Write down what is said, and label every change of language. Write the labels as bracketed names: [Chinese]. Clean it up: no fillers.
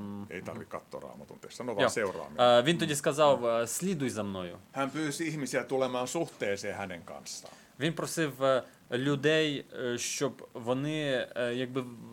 [Finnish] ei tarvitse katsoa Raamatun tekstiä, no vaan seuraa minua. [Ukrainian] Він тоді сказав, слідуй за мною. [Finnish] Hän pyysi ihmisiä tulemaan suhteeseen hänen kanssaan. [Ukrainian] Він просив людей, щоб вони якби